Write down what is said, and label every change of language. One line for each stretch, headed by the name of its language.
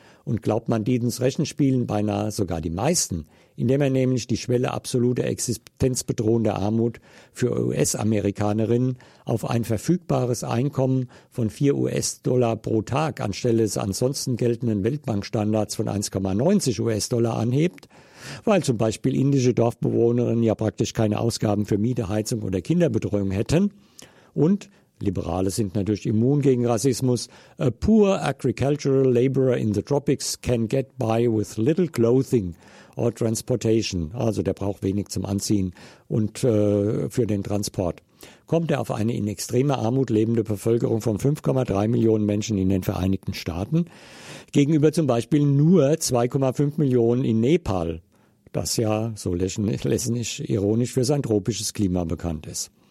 German: Und glaubt man Deatons Rechenspielen, beinahe sogar die meisten, indem er nämlich die Schwelle absoluter existenzbedrohender Armut für US-Amerikanerinnen auf ein verfügbares Einkommen von 4 US-Dollar pro Tag anstelle des ansonsten geltenden Weltbankstandards von 1,90 US-Dollar anhebt, weil zum Beispiel indische Dorfbewohnerinnen ja praktisch keine Ausgaben für Miete, Heizung oder Kinderbetreuung hätten und Liberale sind natürlich immun gegen Rassismus.
English: A poor agricultural laborer in the tropics can get by with little clothing or transportation,
German: also der braucht wenig zum Anziehen und für den Transport. Kommt er auf eine in extremer Armut lebende Bevölkerung von 5,3 Millionen Menschen in den Vereinigten Staaten, gegenüber zum Beispiel nur 2,5 Millionen in Nepal, das ja, so lässig ironisch, für sein tropisches Klima bekannt ist.